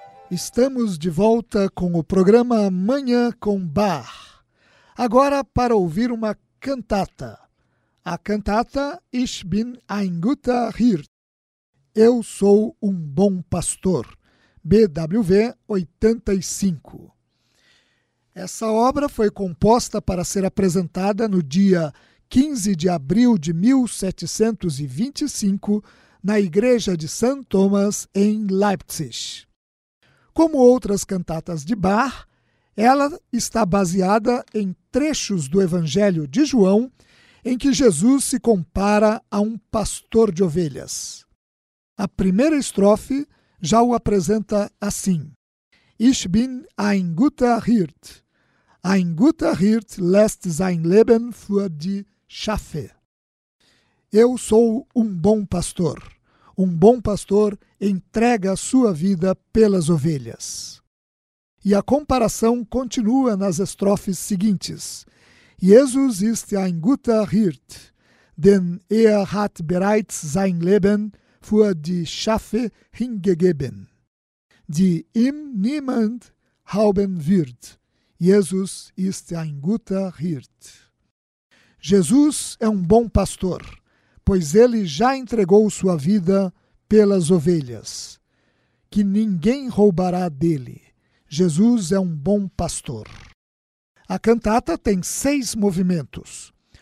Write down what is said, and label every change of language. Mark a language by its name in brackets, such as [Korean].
[Portuguese] Estamos de volta com o programa Manhã com Bar. Agora para ouvir uma cantata. A cantata Ich bin ein guter Hirt. Eu sou um bom pastor. BWV 85. Essa obra foi composta para ser apresentada no dia 15 de abril de 1725 na Igreja de St. Thomas em Leipzig. Como outras cantatas de Bach, ela está baseada em trechos do Evangelho de João, em que Jesus se compara a um pastor de ovelhas. A primeira estrofe já o apresenta assim: [German] Ich bin ein guter Hirt. Ein guter Hirt lässt sein Leben für die Schafe. [Portuguese] Eu sou um bom pastor. Um bom pastor entrega a sua vida pelas ovelhas. E a comparação continua nas estrofes seguintes. [German] Jesus ist ein guter Hirt, denn hat bereits sein Leben für die Schafe hingegeben, die ihm niemand rauben wird. Jesus ist ein guter Hirt. [Portuguese] Jesus é um bom pastor, pois ele já entregou sua vida pelas ovelhas, que ninguém roubará dele. Jesus é um bom pastor. A cantata tem 6 movimentos.